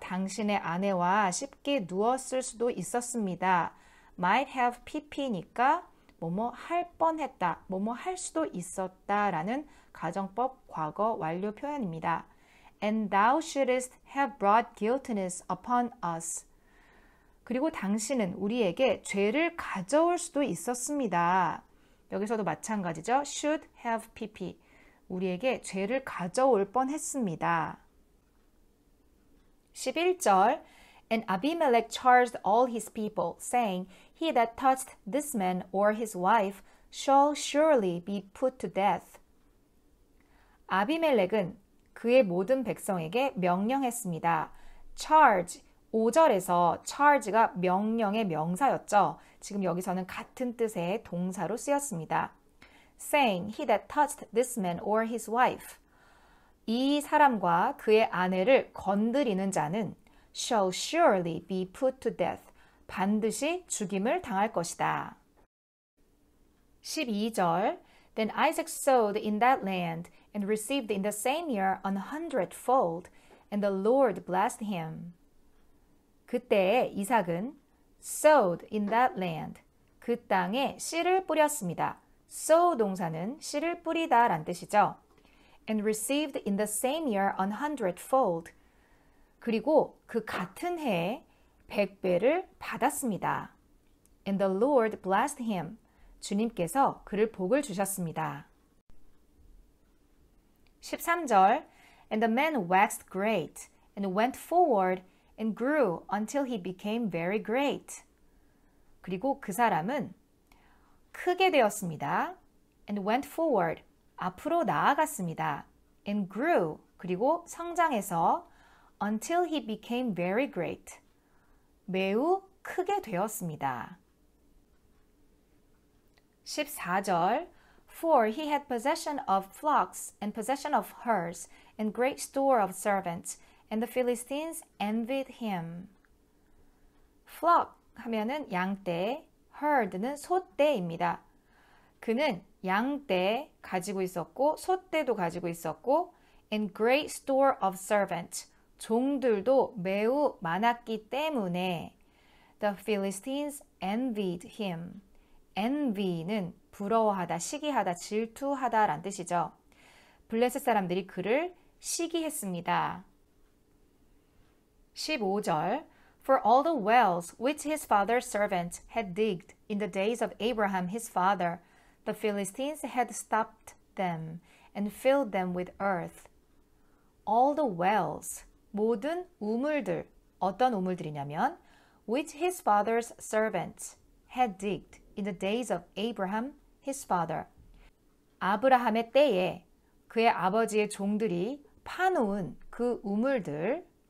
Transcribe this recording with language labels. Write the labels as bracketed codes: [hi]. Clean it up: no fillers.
[ko] 당신의 아내와 쉽게 누웠을 수도 있었습니다. [en] might have pp니까 [ko] 뭐뭐 할 뻔했다, 뭐뭐 할 수도 있었다 라는 가정법 과거 완료 표현입니다. [en] And thou shouldest have brought guiltiness upon us. [ko] 그리고 당신은 우리에게 죄를 가져올 수도 있었습니다. 여기서도 마찬가지죠. [en] should have pp. [ko] 우리에게 죄를 가져올 뻔했습니다. [en] 11절 And Abimelech charged all his people, saying, He that touched this man or his wife shall surely be put to death. [ko] 아비멜렉은 그의 모든 백성에게 명령했습니다. Charge, 5절에서 charge가 명령의 명사였죠. 지금 여기서는 같은 뜻의 동사로 쓰였습니다. [en] Saying, He that touched this man or his wife. [ko] 이 사람과 그의 아내를 건드리는 자는 [en] shall surely be put to death. [ko] 반드시 죽임을 당할 것이다. 12절 [en] Then Isaac sowed in that land and received in the same year a hundredfold, and the Lord blessed him. [ko] 그때 이삭은 [en] sowed in that land, [ko] 그 땅에 씨를 뿌렸습니다. Sow 동사는 씨를 뿌리다 란 뜻이죠. [en] And received in the same year a hundredfold. [ko] 그리고 그 같은 해에 백배를 받았습니다. [en] And the Lord blessed him. [ko] 주님께서 그를 복을 주셨습니다. 13절 [en] And the man waxed great, and went forward, and grew until he became very great. [ko] 그리고 그 사람은 크게 되었습니다. [en] And went forward, [ko] 앞으로 나아갔습니다. [en] And grew, [ko] 그리고 성장해서 [en] until he became very great. [ko] 매우 크게 되었습니다. 14절 [en] For he had possession of flocks and possession of herds and great store of servants and the Philistines envied him. [ko] Flock 하면은 양떼, herd는 소떼입니다. 그는 양떼 가지고 있었고 소떼도 가지고 있었고 [en] and great store of servants [ko] 종들도 매우 많았기 때문에 [en] the Philistines envied him. [ko] envy는 부러워하다, 시기하다, 질투하다 라는 뜻이죠. 블레셋 사람들이 그를 시기했습니다. 15절 [en] For all the wells which his father's servants had digged in the days of Abraham his father, the Philistines had stopped them and filled them with earth. All the wells, [ko] 모든 우물들, 어떤 우물들이냐면 [en] which his father's servants had digged in the days of Abraham, his father. [ko] 아브라함의 때에 그의 아버지의 종들이 파놓은 그 우물들을